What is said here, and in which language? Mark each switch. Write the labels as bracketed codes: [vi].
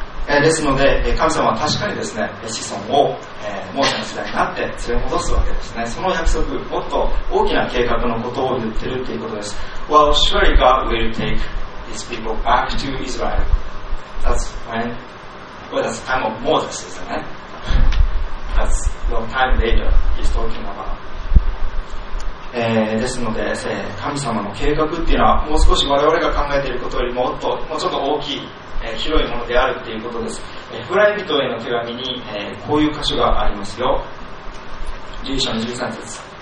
[ja] ですので、神様は確かにですね、子孫をモーセの時代になって連れ戻すわけですね。その約束、もっと大きな計画のことを言っているということです。 [en] Well, surely God will take his people back to Israel. That's when, well, that's the time of Moses, isn't it? That's long time later. He's talking about. [ja] ですので、神様の計画っていうのはもう少し我々が考えていることよりもっともうちょっと大きい、広いものであるっていうことです。エフライ人への手紙に、こういう箇所がありますよ。11章の13節。